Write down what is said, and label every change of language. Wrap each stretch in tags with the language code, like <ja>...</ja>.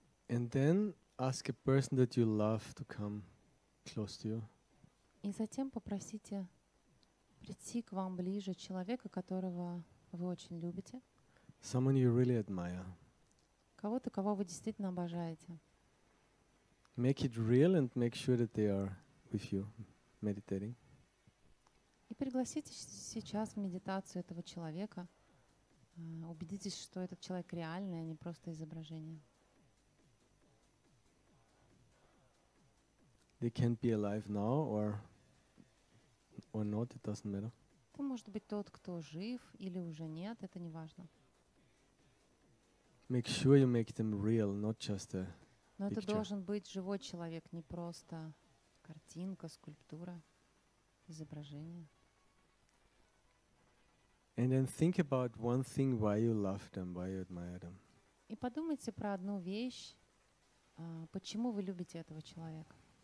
<en>And then ask a person that you love to come close to you.</en> <ru>И затем попросите прийти к вам ближе человека, которого вы очень любите.</ru> <en>Someone you really admire.</en> <ru>Кого-то, кого вы действительно обожаете.</ru> <en>Make it real and make sure that they are with you meditating.</en> <ru>И пригласите сейчас в медитацию этого человека. Убедитесь, что этот человек реальный, а не просто изображение.</ru> <en>They can be alive now or not, it doesn't matter.</en> <ru>Это может быть тот, кто жив или уже нет, это не важно.</ru> <en>Make sure you make them real, not just a picture.</en> <ru>Но это должен быть живой человек, не просто картинка, скульптура, изображение.</ru> <en>And then think about one thing, why you love them, why you admire them.</en> <ru>И подумайте про одну вещь, почему вы любите этого человека.</ru>